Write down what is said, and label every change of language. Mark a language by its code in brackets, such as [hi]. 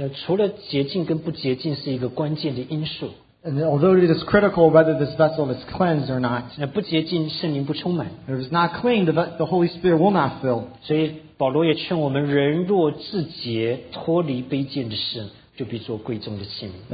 [zh] 除了洁净跟不洁净是一个关键的因素。 [en] And although it is critical whether this vessel is cleansed or not, [zh] 不洁净圣灵不充满。 [en] If it's not clean, the Holy Spirit will not fill. [zh] 所以保罗也劝我们，人若自洁，脱离卑贱的事，就必做贵重的器皿。